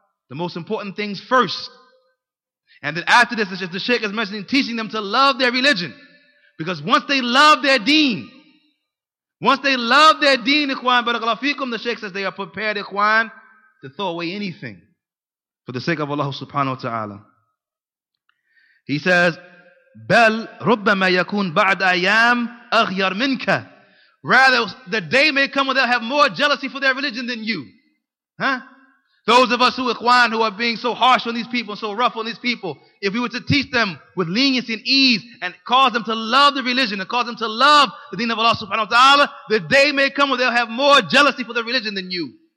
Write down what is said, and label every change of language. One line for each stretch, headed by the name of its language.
English: The most important things first. And then after this, the Shaykh is mentioning teaching them to love their religion. Because once they love their deen, Ikhwan, barakallahu fikum, the Shaykh says they are prepared, Ikhwan, to throw away anything for the sake of Allah subhanahu wa ta'ala. He says,
Arabic: بَلْ رُبَّمَا يَكُونْ بَعْدَ أَيَامْ أَغْيَرْ مِنْكَ.
English: Rather, the day may come where they'll have more jealousy for their religion than you. Huh? Those of us who ikhwan, who are being so harsh on these people, so rough on these people, if we were to teach them with leniency and ease and cause them to love the religion and cause them to love the deen of Allah subhanahu wa ta'ala, the day may come where they'll have more jealousy for the religion than you.